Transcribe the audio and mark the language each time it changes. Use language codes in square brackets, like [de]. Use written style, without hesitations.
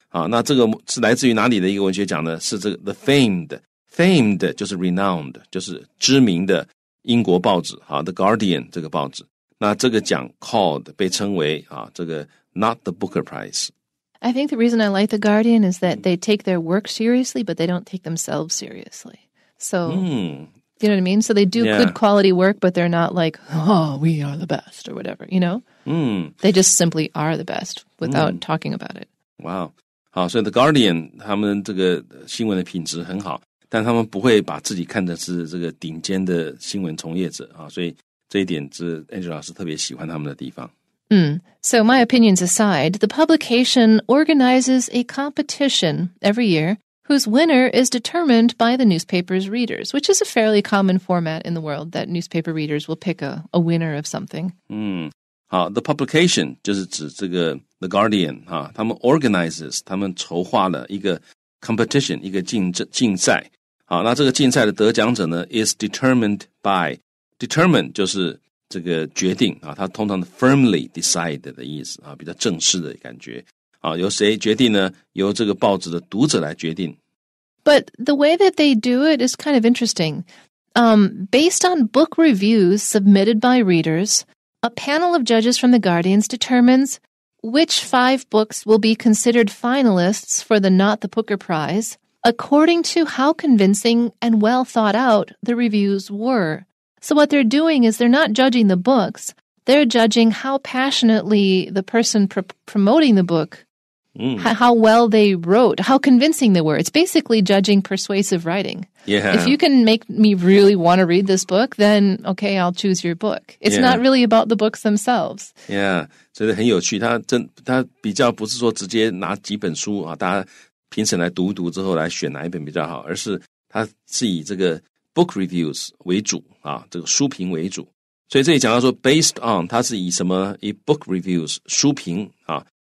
[zh] 促成的另外一个文学奖，它是模仿这个布克奖，但是它是善意的模仿，那这个是来自于哪里的一个文学奖呢？是这个 famed 就是 renowned 就是知名的英国报纸，The Guardian 这个报纸，那这个奖 called 被称为这个 Not the Booker Prize。 [en] I think the reason I like The Guardian is that they take their work seriously, but they don't take themselves seriously. So. You know what I mean? So they do good quality work, but they're not like, oh, we are the best or whatever, you know? They just simply are the best without talking about it. Wow. [zh] 好，所以The Guardian, 他们这个新闻的品质很好，但他们不会把自己看的是这个顶尖的新闻从业者，所以这一点是Angela老师特别喜欢他们的地方。 [en] So my opinions aside, the publication organizes a competition every year whose winner is determined by the newspaper's readers, which is a fairly common format in the world that newspaper readers will pick a winner of something. [zh] 好， the publication 就是指这个 The Guardian 啊，他们 organizes 他们筹划了一个 competition 一个竞赛。好，那这个竞赛的得奖者呢 is determined by determine 就是这个决定啊，它通常的 firmly decide 的意思啊，比较正式的感觉啊，由谁决定呢？由这个报纸的读者来决定。 [en] But the way that they do it is kind of interesting. Based on book reviews submitted by readers, a panel of judges from the Guardians determines which five books will be considered finalists for the Not the Booker Prize, according to how convincing and well thought out the reviews were. So what they're doing is they're not judging the books, they're judging how passionately the person promoting the book, how well they wrote, how convincing they were. It's basically judging persuasive writing. Yeah. If you can make me really want to read this book, then okay, I'll choose your book. It's not really about the books themselves. [zh] Yeah, 所以很有趣，他比较不是说直接拿几本书啊，大家评审来读一读之后来选哪一本比较好，而是他是以这个 book reviews 为主啊，这个书评为主。所以这里讲到说 based on 他是以什么，以 book reviews 书评啊。